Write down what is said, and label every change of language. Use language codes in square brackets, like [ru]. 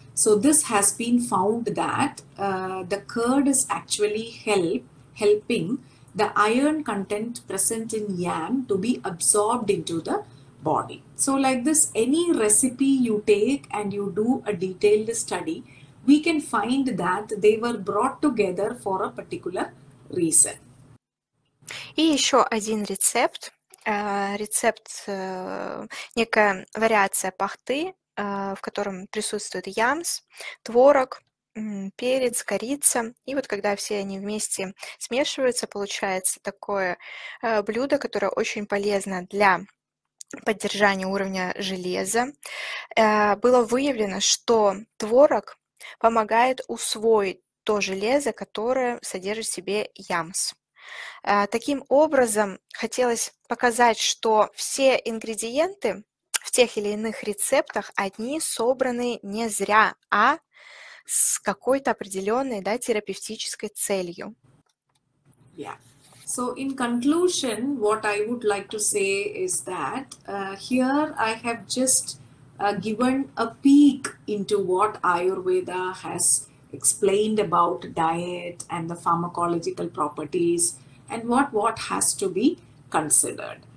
[en] So this has been found that the curd is actually helping the iron content present in yam to be absorbed into the body. So like this, any recipe you take and you do a detailed study, we can find that they were brought together for a particular reason. [ru] И еще один рецепт. Рецепт, некая вариация пахты, в котором присутствует ямс, творог, перец, корица. И вот когда все они вместе смешиваются, получается такое блюдо, которое очень полезно для поддержания уровня железа. Было выявлено, что творог помогает усвоить то железо, которое содержит в себе ямс. Таким образом, хотелось показать, что все ингредиенты в тех или иных рецептах, одни собраны не зря, а с какой-то определенной, да, терапевтической целью. Yeah. [en] So in conclusion, what I would like to say is that here I have just given a peek into what Ayurveda has explained about diet and the pharmacological properties and what has to be considered.